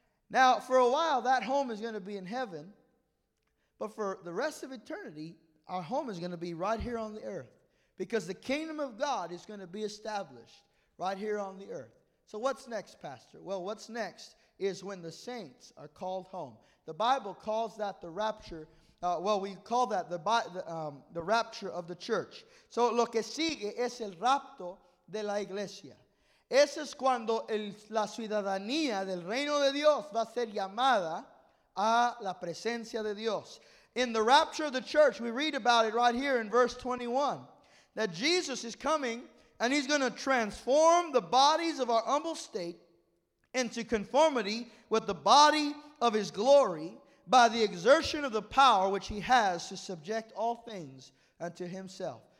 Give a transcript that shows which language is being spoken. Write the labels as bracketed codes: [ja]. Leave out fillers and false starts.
[en] Now, for a while, that home is going to be in heaven. But for the rest of eternity, our home is going to be right here on the earth, because the kingdom of God is going to be established right here on the earth. So what's next, Pastor? Well, what's next is when the saints are called home. The Bible calls that the rapture. We call that the rapture of the church. [es] So lo que sigue es el rapto de la iglesia. Ese es cuando la ciudadanía del reino de Dios va a ser llamada a la presencia de Dios. [en] In the rapture of the church, we read about it right here in verse 21, that Jesus is coming and he's going to transform the bodies of our humble state into conformity with the body of his glory by the exertion of the power which he has to subject all things unto himself.